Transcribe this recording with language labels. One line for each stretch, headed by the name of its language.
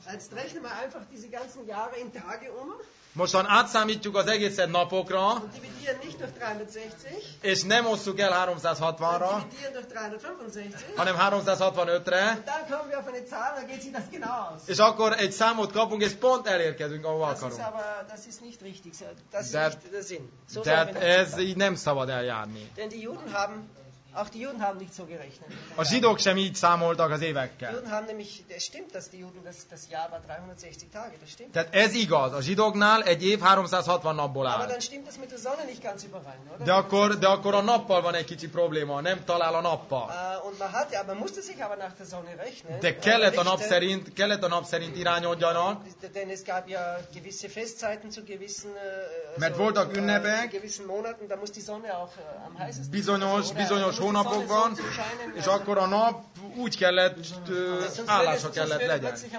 German: Jetzt rechnen wir einfach diese ganzen Jahre in Tage um.
Hungarian: Mostan átszámítjuk az egészet napokra.
German: Und dividieren nicht durch 360.
Hungarian: És nem osszuk el 360-ra.
German: Und dividieren durch 365.
Hungarian: Hanem 365-re.
German: Und dann kommen wir auf eine Zahl, da geht sich das genau aus.
Hungarian: És akkor egy számot kapunk, és pont elérkezünk, ahova akarunk.
German: Das ist nicht richtig. Das ist nicht der Sinn.
Hungarian: So tehát ez így nem szabad eljárni.
German: Denn die Juden haben, auch die Juden haben nicht so gerechnet.
Hungarian: A zsidók sem így számoltak az évekkel.
German: Juden haben nämlich, es stimmt, dass die Juden das Jahr war 360 Tage, das stimmt.
Hungarian: Tehát ez igaz, a zsidóknál egy év 360 napból áll.
German: Aber dann stimmt das mit der Sonne nicht ganz überein, oder?
Hungarian: De akkor a nappal van egy kicsi probléma, nem talál a nappal.
German: Und man hat ja, man musste sich aber nach der Sonne rechnen.
Hungarian: De kellett a nap szerint irányodjanak.
German: Denn es gab ja gewisse Festzeiten zu gewissen,
Hungarian: mert voltak ünnepek,
German: gewissen Monaten, da muss die Sonne auch am heißesten.
Hungarian: Bizonyos hónapokban, és akkor a nap úgy kellett, állása kellett legyen.